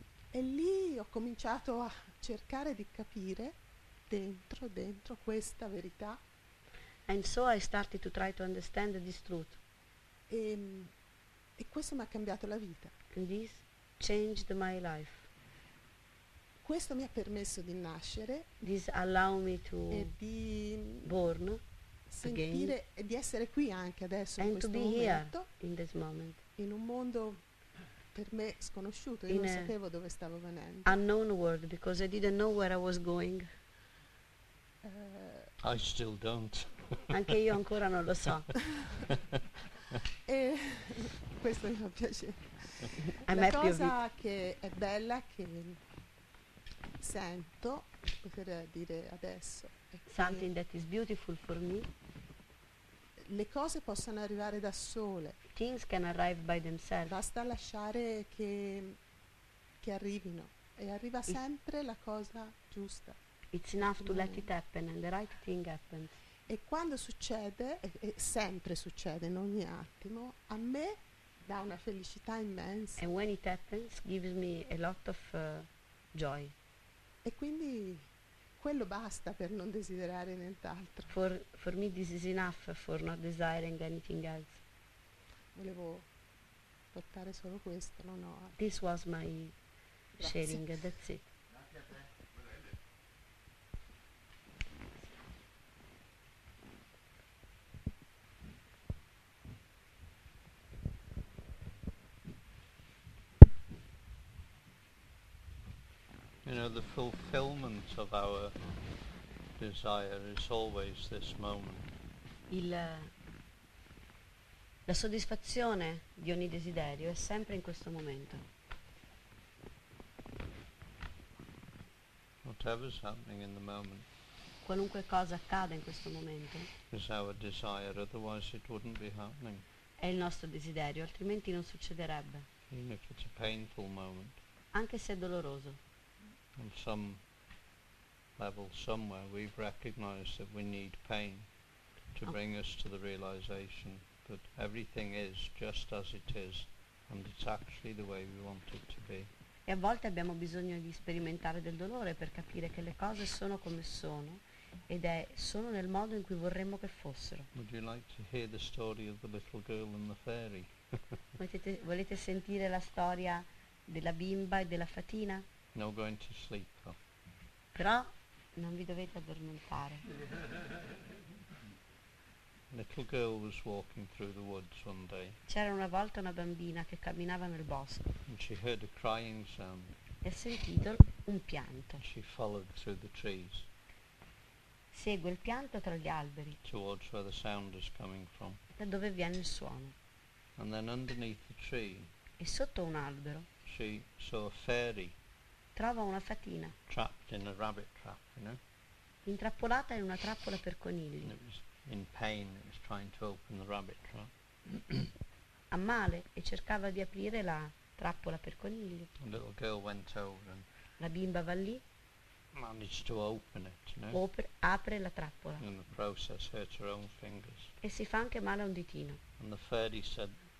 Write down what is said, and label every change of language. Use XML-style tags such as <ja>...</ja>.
<it>E lì ho cominciato a cercare di capire dentro questa verità.</it> <en>And so I started to try to understand this truth.</en> <it>E questo mi ha cambiato la vita.</it> <en>And this changed my life.</en> <it>Questo mi ha permesso di nascere.</it> <en>This allowed me to</en> <it>e di</it> <en>born</en> <it>sentire</it> <en>again.</en> <it>E di essere qui anche adesso</it> <en>and</en> <it>in questo</it> <en>to be</en> <it>momento</it> <en>here in this moment.</en> <it>In un mondo per me sconosciuto, io</it> <en>in</en> <it>non sapevo dove stavo venendo.</it> <en>Unknown world because I didn't know where I was going. I still don't.</en> <it>Anche io ancora non lo so. E questo mi fa piacere. La cosa che è bella che sento, poter dire adesso,</it> <en>something that is beautiful for me.</en> <it>Le cose possono arrivare da sole.</it> <en>Things can arrive by themselves.</en> <it>Basta lasciare che arrivino e arriva sempre la cosa giusta.</it> <en>It's enough to let it happen and the right thing happens.</en> <it>E quando succede, e sempre succede in ogni attimo, a me dà una felicità immensa.</it> <en>And when it happens, gives me a lot of joy.</en> <it>E quindi quello basta per non desiderare nient'altro.</it> <en>For me this is enough for not desiring anything else.</en> <it>Volevo portare solo questo, non ho altro.</it> <en>This was my sharing, grazie. That's it. You know, the fulfillment of our desire is always this moment.</en> <it>La soddisfazione di ogni desiderio è sempre in questo momento.</it> <en>Whatever's happening in the moment.</en> <it>Qualunque cosa accada in questo momento.</it> <en>Is our desire, otherwise it wouldn't be happening.</en> <it>È il nostro desiderio, altrimenti non succederebbe.</it> <en>Even if it's a painful moment.</en> <it>Anche se è doloroso.</it> <en>On some level, somewhere, we've recognized that we need pain to bring us to the realization that everything is just as it is and it's actually the way we want it to be.</en> <it>E a volte abbiamo bisogno di sperimentare del dolore per capire che le cose sono come sono ed è solo nel modo in cui vorremmo che fossero.</it> <en>Would you like to hear the story of the little girl and the fairy?</en> <it>Volete sentire la storia della bimba e della fatina?</it> <en>No going to sleep. Oh.</en> <it>Però non vi dovete addormentare.</it> <en>Little girl was walking through the woods one day.</en> <it>C'era una volta una bambina che camminava nel bosco.</it> <en>And she heard a crying sound.</en> <it>E ha sentito un pianto.</it> <en>And she followed through the trees.</en> <it>Segue il pianto tra gli alberi.</it> <en>Towards where the sound is coming from.</en> <it>Da dove viene il suono.</it> <en>And then underneath the tree.</en> <it>E sotto un albero.</it> <en>She saw a fairy.</en> <it>Trova una fatina.</it> <en>Trapped in a rabbit trap, you know?</en> <it>Intrappolata in una trappola per conigli.</it> <en>And it was in pain, it was trying to open the rabbit trap.</en> <it>A male e cercava di aprire la trappola per conigli.</it> <en>The little girl went over and</en> <it>la bimba va lì.</it> <en>Managed to open it, you know?</en> <it>Apre la trappola.</it> <en>In the process hurt her own fingers.</en> <it>E si fa anche male a un ditino.</it> <en>And the fairy said,</en>